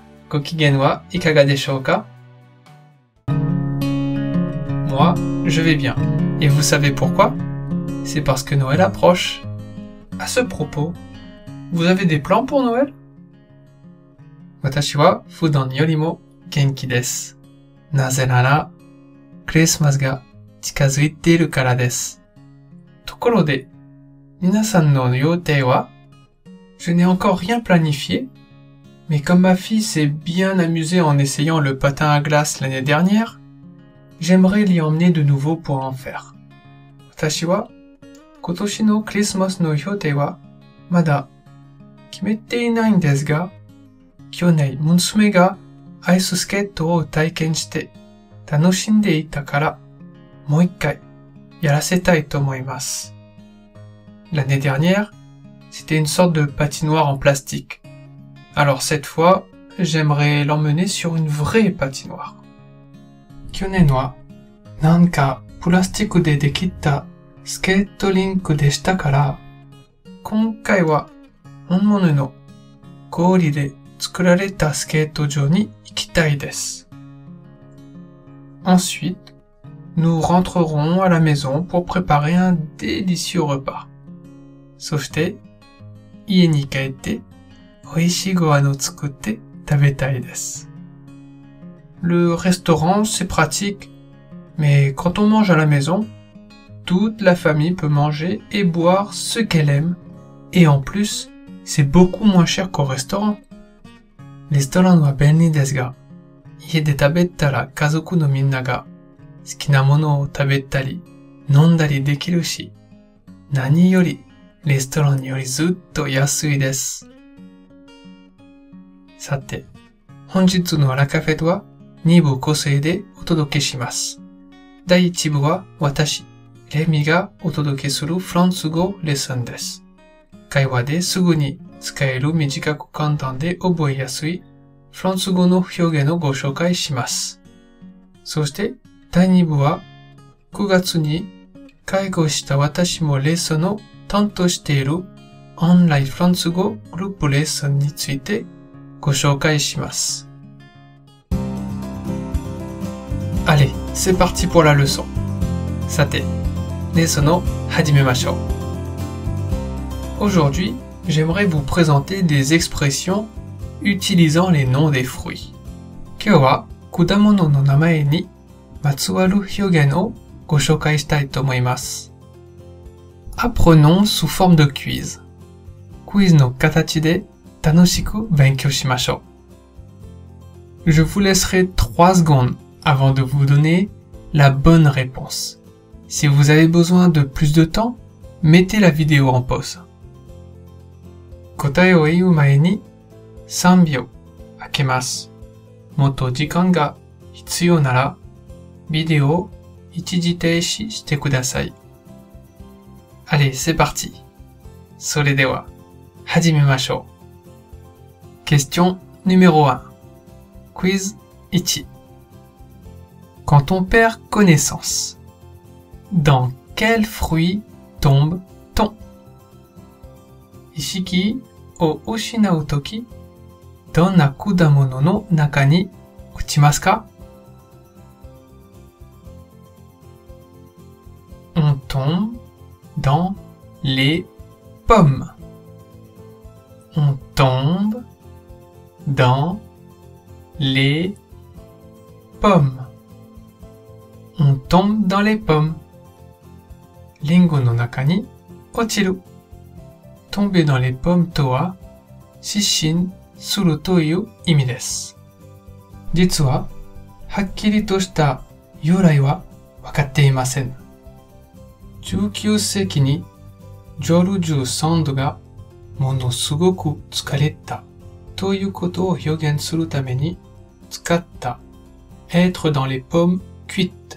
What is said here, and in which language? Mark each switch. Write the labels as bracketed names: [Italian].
[Japanese] Ko kigen wa ikaga deshou ka? [French] Moi, je vais bien. Et vous savez pourquoi? C'est parce que Noël approche. À ce propos, vous avez des plans pour Noël? [Japanese] Watashi wa fudan yori mo genki desu. Naze nara, Christmas ga近づいているからです。ところで、皆さんの予定は？ [French] Je n'ai encore rien planifié, mais comme ma fille s'est bien amusée en essayant le patin à glace l'année dernière, j'aimerais l'y emmener de nouveau pour en faire. [Japanese] 私は、今年のクリスマスの予定は、まだ決めていないんですが、去年、娘がアイススケートを体験して楽しんでいたから、もう一回、やらせたいと思います。 [French] L'année dernière, c'était une sorte de patinoire en plastique. Alors cette fois, j'aimerais l'emmener sur une vraie patinoire. [Japanese] 去年は、なんか、プラスチックでできたスケートリンクでしたから、今回は、本物の氷で作られたスケート場に行きたいです。 [French] Ensuite,Nous rentrerons à la maison pour préparer un délicieux repas. [Japanese] そして、家に帰って、美味しいご飯を作って食べたいです。 [French] Le restaurant, c'est pratique, mais quand on mange à la maison, toute la famille peut manger et boire ce qu'elle aime, et en plus, c'est beaucoup moins cher qu'au restaurant. [Japanese] レストランは便利ですが、家で食べたら家族のみんなが好きなものを食べたり、飲んだりできるし、何より、レストランよりずっと安いです。さて、本日のアラカフェとは、2部構成でお届けします。第1部は、私、レミがお届けするフランス語レッスンです。会話ですぐに使える短く簡単で覚えやすい、フランス語の表現をご紹介します。そして、第2部は、9月に介護した私もレッスンを担当しているオンラインフランス語グループレッスンについてご紹介します。 [French] Allez, c'est parti pour la leçon. [Japanese] さて、レッスンを始めましょう。 [French] Aujourd'hui, j'aimerais vous présenter des expressions utilisant les noms des fruits. [Japanese] 今日は、果物の名前にまつわる表現をご紹介したいと思います。 [French] Apprenons sous forme de quiz. [Japanese] クイズの形で楽しく勉強しましょう。 [French] Je vous laisserai 3 secondes avant de vous donner la bonne réponse. Si vous avez besoin de plus de temps, mettez la vidéo en pause. [Japanese] 答えを言う前に3秒空けます。もっと時間が必要ならビデオ一時停止してください。 [French] Allez, c'est parti! [Japanese] それでは、始めましょう。 [French] Question numéro 1. Quiz 1. Quand on perd connaissance, dans quel fruit tombe-t-on? [Japanese] 意識を失うとき、どんな果物の中に落ちますか？ [French] On tombe dans les pommes. On tombe dans les pommes. On tombe dans les pommes. [Japanese] リンゴの中に落ちる。 [French] Tomber dans les pommes [Japanese] とは、失神するという意味です。実は、はっきりとした由来は分かっていません。 19世紀にジョルジュ・サンドがものすごく疲れたということを表現するために使った [French] être dans les pommes cuites